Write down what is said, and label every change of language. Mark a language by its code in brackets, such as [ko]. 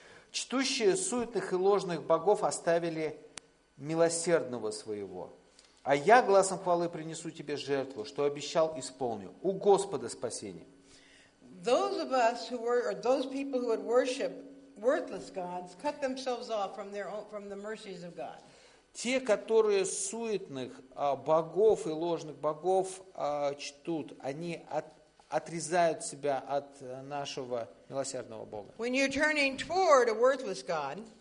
[ru] «Чтущие суетных и ложных богов оставили милосердного своего. А я гласом хвалы принесу тебе жертву, что обещал, исполню. У Господа спасение». [en] Those of us who were, or those people who would worship worthless gods, cut themselves off from their own, from the mercies of God. [ru] Те, которые суетных богов и ложных богов чтут, они отрезают себя от нашего милосердного Бога. [en] When you're turning toward a worthless god,